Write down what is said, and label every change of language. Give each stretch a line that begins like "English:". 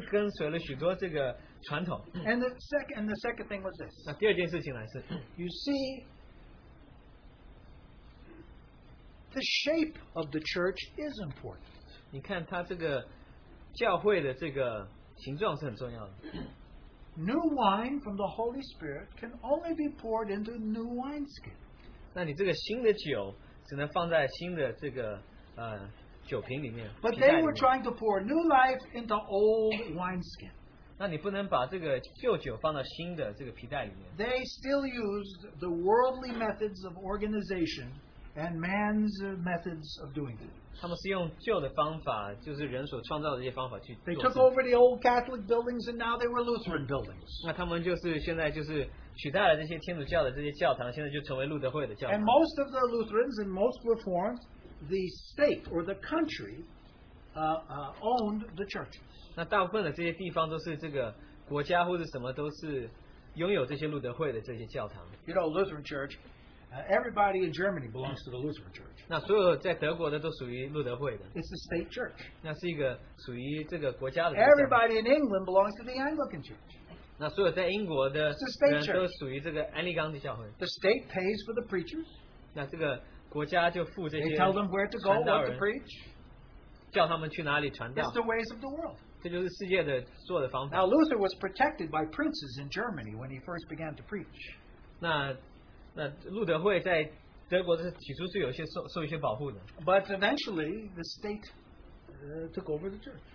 Chinese: 那路德会的他们已经得救了，但是他们还是跟随了许多这个传统。
English: And the second thing was this.
Chinese: 那第二件事情来是，
English: You see, the shape of the church is important.
Chinese: 你看他这个教会的这个形状是很重要的。
English: New wine from the Holy Spirit can only be poured into new wineskin.
Chinese: 那你这个新的酒只能放在新的这个酒瓶里面。
English: But they were trying to pour new life into old wineskin.
Chinese: 那你不能把这个旧酒放到新的这个皮带里面。
English: They still used the worldly methods of organization and man's methods of doing it.
Chinese: 他们是用旧的方法, 就是人所创造的一些方法去做事。
English: They took over the old Catholic buildings and now they were Lutheran buildings.
Chinese: 那他们就是现在就是取代了这些天主教的这些教堂, 现在就成为路德会的教堂。
English: And most of the Lutherans and most Reformed, the state or the country owned the churches.
Chinese: 那大部分的这些地方都是这个国家或者什么都是拥有这些路德会的这些教堂。
English: You know, Lutheran church, everybody in Germany belongs to the Lutheran Church.
Chinese: 那所有在德国的都属于路德会的。
English: It's the state church.
Chinese: 那是一个属于这个国家的。
English: Everybody in England belongs to the Anglican Church.
Chinese: 那所有在英国的人都属于这个安利冈的教会。
English: The state pays for the preachers.
Chinese: 那这个国家就付这些。
English: They tell them where to go, what to preach.
Chinese: 叫他们去哪里传道。
English: It's the ways of the world.
Chinese: 这就是世界的做的方法。
English: Now Luther was protected by princes in Germany when he first began to preach.
Chinese: 那路德会在德国的起初是有些受一些保护的。
English: But eventually the state took over the church.